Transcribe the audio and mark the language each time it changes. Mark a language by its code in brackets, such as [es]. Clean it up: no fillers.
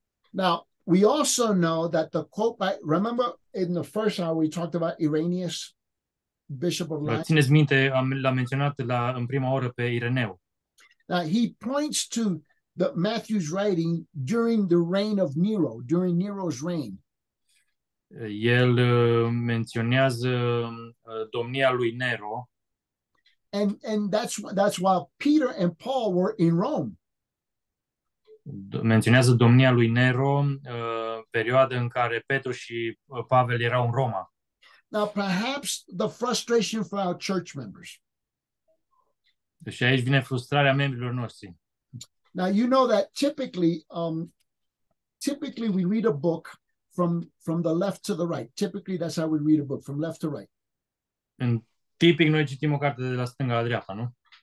[en] Now, we also know that the quote by, remember in the first hour we talked about Irenaeus, bishop of Lyon. [ro] Țineți minte, l-am menționat în prima oră pe Ireneu. [en] Now, he points to the Matthew's writing during the reign of Nero, during Nero's reign. [ro] El menționează domnia lui Nero. [en] And that's why Peter and Paul were in Rome. [ro] Menționează domnia lui Nero, perioada în care Petru și Pavel erau în Roma. [en] Now perhaps the frustration for our church members. [ro] Și aici vine frustrarea membrilor noștri. [en] Now you know that typically we read a book from the left to the right. Typically that's how we read a book, from left to right. [ro] În tipic noi citim o carte de la stânga la dreapta, nu?